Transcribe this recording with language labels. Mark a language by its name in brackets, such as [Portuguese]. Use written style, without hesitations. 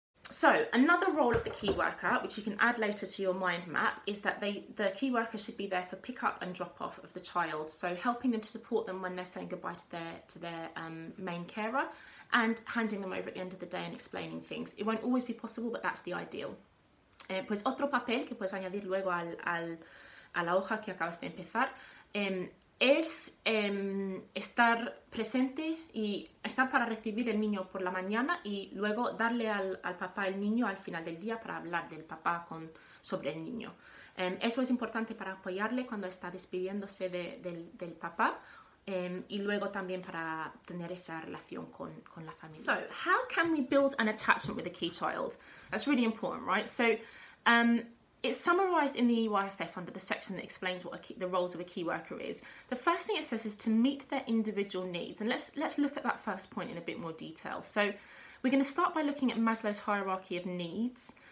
[English] So, another role of the key worker, which you can add later to your mind map, is that the key worker should be there for pick up and drop off of the child. So, helping them to support them when they're saying goodbye to their main carer and handing them over at the end of the day and explaining things. It won't always be possible, but that's the ideal. [Spanish] Pues otro papel que puedes añadir luego a la hoja que acabas de empezar es estar presente y estar para recibir el niño por la mañana y luego darle al papá el niño al final del día para hablar del papá sobre el niño. Eso es importante para apoyarle cuando está despidiéndose del papá y luego también para tener esa relación con la familia. [English] So, how can we build an attachment with a key child? That's really important, right? So, it's summarised in the EYFS under the section that explains the roles of a key worker is. The first thing it says is to meet their individual needs. And let's look at that first point in a bit more detail. So we're going to start by looking at Maslow's hierarchy of needs.